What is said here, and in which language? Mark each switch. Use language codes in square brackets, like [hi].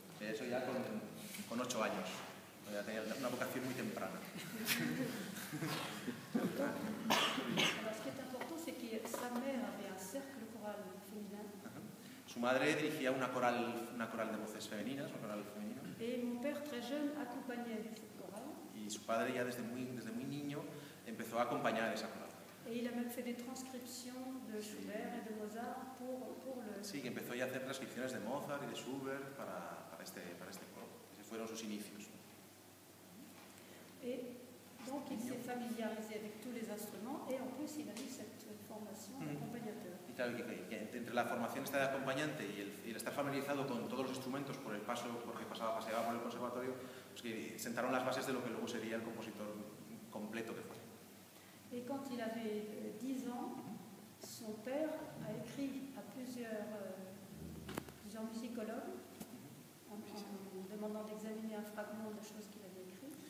[es] Eso ya con 8 años. Ya tenía una vocación muy temprana. Lo que es importante es que su madre había un [fr] cercle [es] coral femenino. Su madre dirigía una coral de voces femeninas, una coral femenina. [fr] Et mon père, très jeune, accompagnait cette chorale. [es] Y su padre ya desde muy niño empezó a acompañar esa coral. [fr] Et il a même fait des transcriptions de Schubert et de Mozart pour le. [es] Sí, que empezó ya a hacer transcripciones de Mozart y de Schubert para este coro. Esos fueron sus inicios. [fr] Et donc il s'est familiarisé avec tous les instruments et en plus il a eu cette formation d'accompagnateur. [es] Y claro, que entre la formación esta de acompañante y el estar familiarizado con todos los instrumentos por el paso, porque paseaba por el conservatorio, pues que sentaron las bases de lo que luego sería el compositor completo que fue. Y cuando él tenía 10 años, su padre ha escrito a [fr] plusieurs [es] musicólogos, demandando examinar un fragmento de cosas que él había escrito.